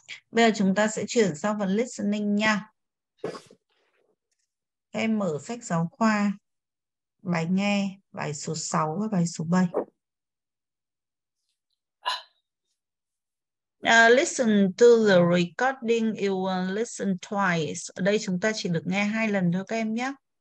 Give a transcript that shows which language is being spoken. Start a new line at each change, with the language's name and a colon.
Vietnamese: Bây giờ chúng ta sẽ chuyển sang phần listening nha. Em mở sách giáo khoa, bài nghe, bài số 6 và bài số 7.
English: Listen to the recording, you will listen twice.
Vietnamese: Ở đây chúng ta chỉ được nghe hai lần thôi các em nhé.